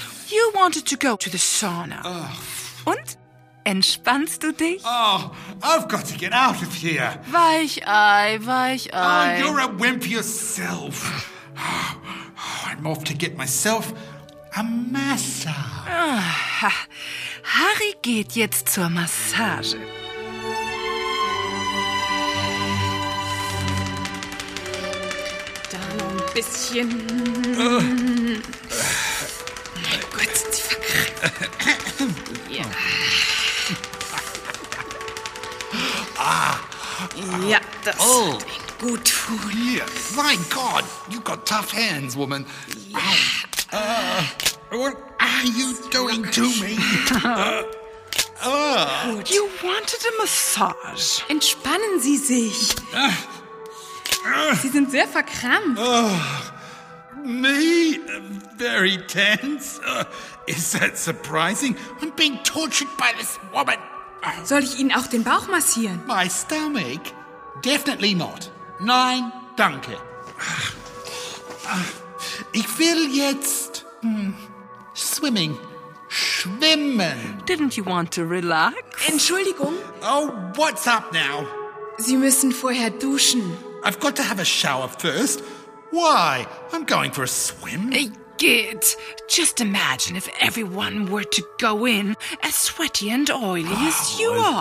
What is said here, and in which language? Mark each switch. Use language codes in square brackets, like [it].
[en] You wanted to go to the sauna. [de] Und? Entspannst du dich? [en] Oh, I've got to get out of here. [de] Weichei, weichei. [en] Oh, you're a wimp yourself. I'm off to get myself a massage. [de] Ah, Harry geht jetzt zur Massage. Da noch ein bisschen. Gut, die verkrampft. Ah. Ja, das wird gut tun. [en] Yeah. My God, you've got tough hands, woman. Yeah. are you doing to me? [de] Gut. [en] You wanted a massage. [de] Entspannen Sie sich. Sie sind sehr verkrampft. [en] Me? Very tense. Is that surprising? I'm being tortured by this woman. [de] Soll ich Ihnen auch den Bauch massieren? [en] My stomach? Definitely not. [de] Nein, danke. Ich will jetzt swimming. Schwimmen. [en] Didn't you want to relax? [de] Entschuldigung. [en] Oh, what's up now? [de] Sie müssen vorher duschen. [en] I've got to have a shower first. Why? I'm going for a swim. Git, just imagine if everyone were to go in as sweaty and oily as you are.